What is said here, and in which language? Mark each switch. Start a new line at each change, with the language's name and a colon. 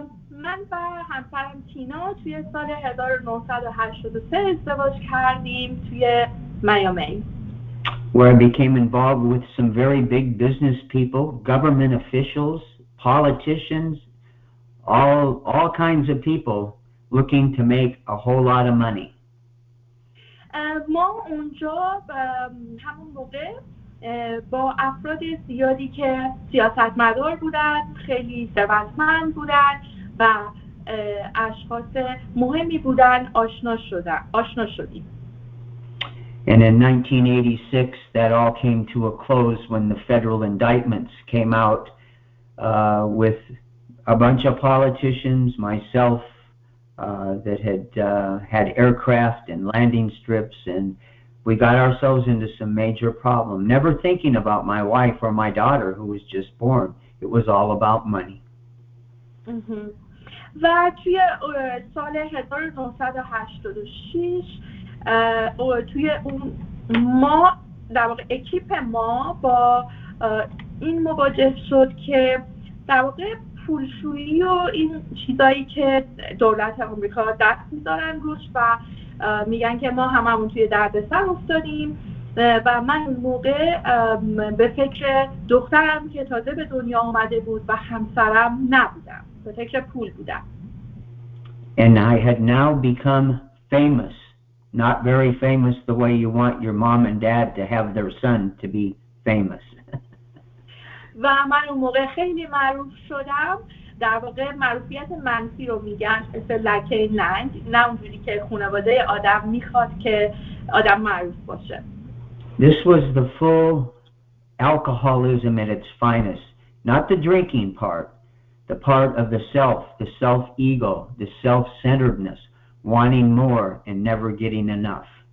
Persian: من با همسرم تینا توی سال 1983 ازدواج کردیم توی میامی.
English: Where I became involved with some very big business people, government officials, politicians, all kinds of people. Looking to make a whole lot of money.
Persian: ما اونجا همون موقع با افراد زیادی که سیاستمدار بودند، خیلی ثروتمند بودند و اشخاص مهمی بودند آشنا شدیم.
English: And in 1986 that all came to a close when the federal indictments came out with a bunch of politicians, myself, that had aircraft and landing strips, and we got ourselves into some major problem, never thinking about my wife or my daughter who was just born. It was all about money.
Persian: و توی سال 1986 توی اون ما در واقع اکیپ ما با این مواجه شد که در واقع پولشویی و این چیزایی که دولت آمریکا دست می‌ذارن روش و میگن که ما هممون توی دردسر افتادیم و من اون موقع به فکر دخترم که تازه به دنیا آمده بود و همسرم نبودم، به فکر پول بودم.
English: And I had now become famous. Not very famous the way you want your mom and dad to have their son to be famous.
Persian: و من اون موقع خیلی معروف شدم. در واقع معروفیت منفی رو میگن مثل لکه ننگ، نه اونجوری که خانواده آدم میخواد که آدم معروف باشه.
English: This was the full alcoholism at its finest. Not the drinking part, the part of the self-ego, the self-centeredness, wanting more and never getting enough.